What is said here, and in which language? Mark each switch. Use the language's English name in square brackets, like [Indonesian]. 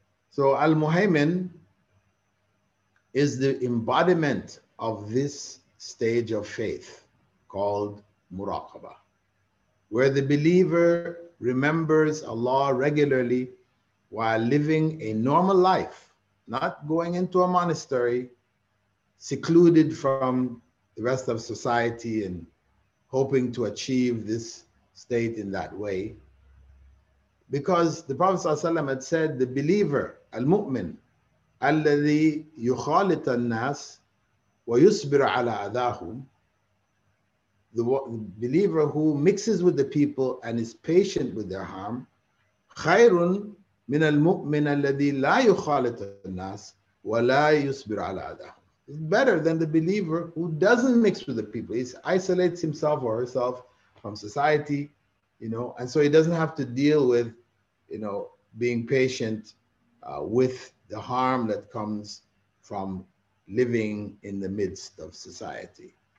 [English] So Al-Muhaymin is the embodiment of this stage of faith called Muraqabah, where the believer remembers Allah regularly while living a normal life, not going into a monastery, secluded from the rest of society and hoping to achieve this state in that way. Because the Prophet ﷺ had said, the believer, Al-Mu'min, [Arabic] الذي يخالط الناس ويصبر على أذاهم. [English] The believer who mixes with the people and is patient with their harm, [Arabic] خير من المؤمن الذي لا يخالط الناس ولا يصبر على أذاهم. [English] It's better than the believer who doesn't mix with the people. He isolates himself or herself from society, you know, and so he doesn't have to deal with, you know, being patient with the harm that comes from living in the midst of society.